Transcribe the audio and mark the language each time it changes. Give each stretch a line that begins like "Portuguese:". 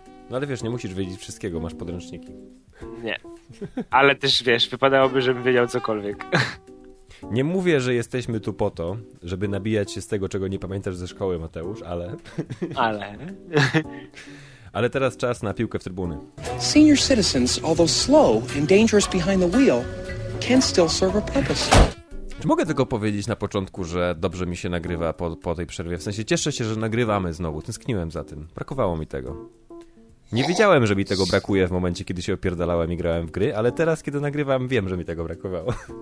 Polish: No ale wiesz, nie musisz wiedzieć wszystkiego, masz podręczniki. Nie, ale też wiesz, wypadałoby, żebym wiedział cokolwiek. Nie mówię, że jesteśmy tu po to, żeby nabijać się z tego, czego nie pamiętasz ze szkoły, Mateusz, ale... Ale... Ale teraz czas na piłkę w trybuny.
English: Senior citizens, although slow and dangerous behind the wheel, can still serve a purpose.
Polish: Czy mogę tylko powiedzieć na początku, że dobrze mi się nagrywa po tej przerwie? W sensie cieszę się, że nagrywamy znowu. Tęskniłem za tym. Brakowało mi tego. Nie wiedziałem, że mi tego brakuje w momencie, kiedy się opierdalałem i grałem w gry, ale teraz, kiedy nagrywam, wiem, że mi tego brakowało.